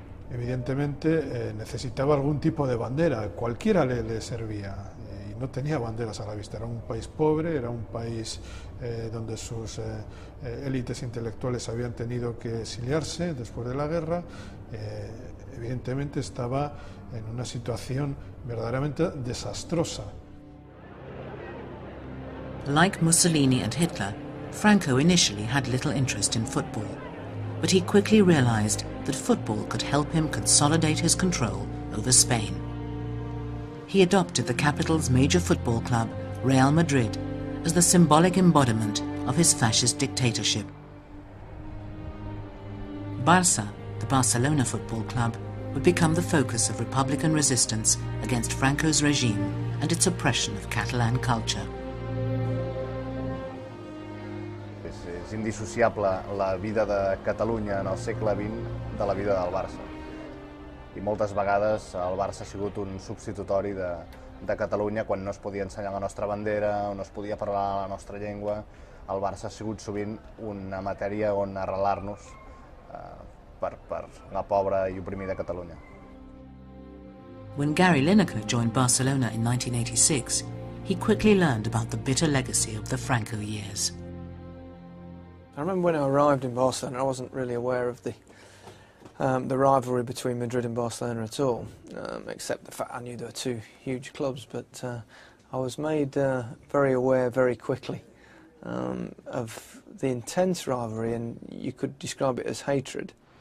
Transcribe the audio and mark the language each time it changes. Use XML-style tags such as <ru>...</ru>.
<es>Evidentemente necesitaba algún tipo de bandera, cualquiera le servía, y no tenía banderas a la vista. Era un país pobre, era un país donde sus élites intelectuales habían tenido que exiliarse después de la guerra. Evidentemente estaba en una situación verdaderamente desastrosa.</es> <en>Like Mussolini and Hitler, Franco initially had little interest in football, but he quickly realized that football could help him consolidate his control over Spain. He adopted the capital's major football club, Real Madrid, as the symbolic embodiment of his fascist dictatorship. Barça, the Barcelona football club, would become the focus of Republican resistance against Franco's regime and its oppression of Catalan culture.</en> <ca>És indissociable la vida de Catalunya en el segle XX de la vida del Barça. I moltes vegades el Barça ha sigut un substitutori de Catalunya quan no es podia ensenyar la nostra bandera o no es podia parlar la nostra llengua. El Barça ha sigut sovint una matèria on arrelar-nos per la pobra i oprimida Catalunya.</ca> <en>When Gary Lineker joined Barcelona in 1986, he quickly learned about the bitter legacy of the Franco years. I remember when I arrived in Barcelona, I wasn't really aware of the rivalry between Madrid and Barcelona at all, except the fact I knew there were two huge clubs, but I was made very aware very quickly of the intense rivalry, and you could describe it as hatred.</en>